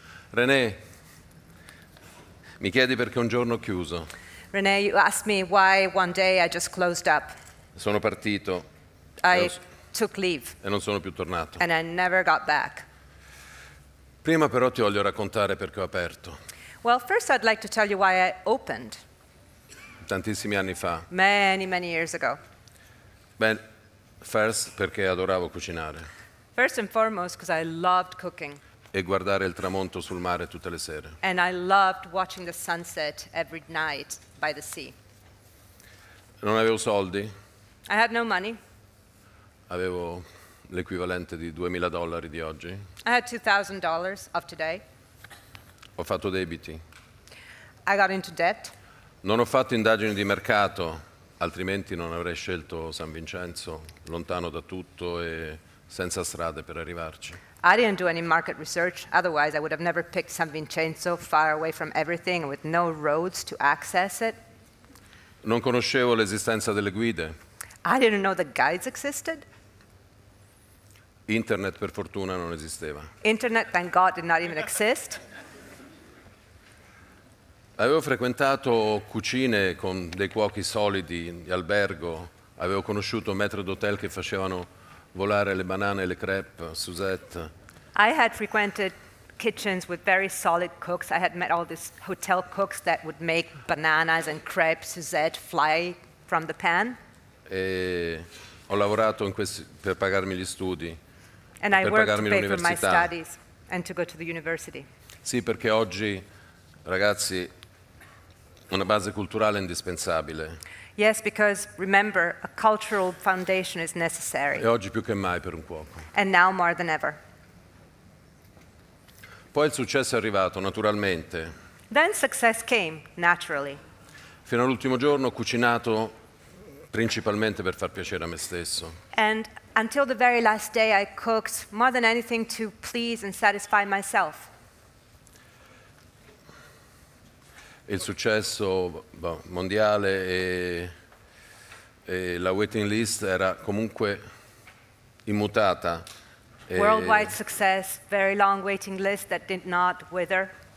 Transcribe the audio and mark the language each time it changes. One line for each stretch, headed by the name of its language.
Italian: René, mi chiedi perché un giorno ho chiuso.
English: René, you asked me why one day I just closed up.
Italian: Sono partito.
English: Took leave.
Italian: E non sono più tornato.
English: And I never got back.
Italian: Prima però ti voglio raccontare perché ho aperto.
English: Well, first I'd like to tell you why I opened.
Italian: Tantissimi anni fa.
English: Many, many years ago.
Italian: Beh,
English: first
Italian: perché adoravo cucinare.
English: First and foremost because I loved cooking.
Italian: E guardare il tramonto sul mare tutte le sere.
English: And I loved watching the sunset every night by the sea.
Italian: Non avevo soldi.
English: I had no money.
Italian: Avevo l'equivalente di $2,000 di oggi.
English: I had $2,000 of today.
Italian: Ho fatto debiti.
English: I got into debt.
Italian: Non ho fatto indagini di mercato, altrimenti non avrei scelto San Vincenzo, lontano da tutto e senza strade per arrivarci.
English: I didn't do any market research, otherwise I would have never picked San Vincenzo, far away from everything, with no roads to access it.
Italian: Non conoscevo l'esistenza delle guide.
English: I didn't know the guides existed.
Italian: Internet, per fortuna, non esisteva.
English: Internet, thank God, did not even exist.
Italian: Avevo frequentato cucine con dei cuochi solidi di albergo. Avevo conosciuto maître d'hôtel che facevano volare le banane e le crepe, Suzette.
English: I had frequented kitchens with very solid cooks. I had met all these hotel cooks that would make bananas and crepes, Suzette, fly from the pan.
Italian: E ho lavorato in questi, per pagarmi gli studi.
English: And I worked to pay for my studies and to go to the university.
Italian: Sì, perché oggi, ragazzi, una base culturale è indispensabile.
English: Yes, because remember, a cultural foundation is necessary.
Italian: E oggi più che mai per un cuoco.
English: And now more than ever.
Italian: Poi il successo è arrivato, naturalmente.
English: Then success came, naturally.
Italian: Fino all'ultimo giorno ho cucinato principalmente per far piacere a me stesso.
English: And until the very last day I cooked more than anything to please and satisfy myself.
Italian: Il successo mondiale e la waiting list era comunque immutata.
English: Worldwide success, very long waiting list that did not wither.